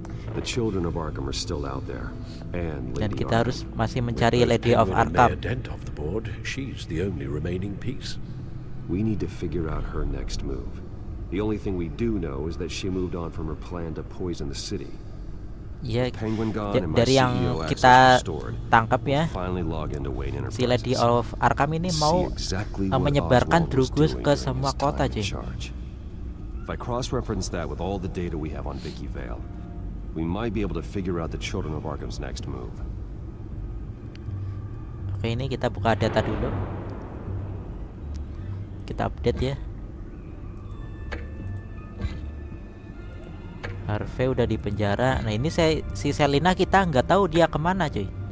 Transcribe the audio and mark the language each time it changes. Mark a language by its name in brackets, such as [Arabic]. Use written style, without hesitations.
[English] The children of Arkham are still out there. And [Indonesian] dan kita harus masih mencari Lady of Arkham. [English] Dent off the board. She's the only remaining piece. We need to figure out her next move. The only thing we do know is that she moved on from her plan to poison the city. [Indonesian] Ya, dari yang kita tangkap ya, si Lady of Arkham ini mau menyebarkan drugus ke semua kota, cuy. [English] If I cross-reference that with all the data we have on Vicky Vale, we might be able to figure out the children of Arkham's next move. [Indonesian] Oke, ini kita buka data dulu. Kita update ya. Harvey udah di penjara. Nah ini si Selina kita nggak tahu dia kemana, cuy.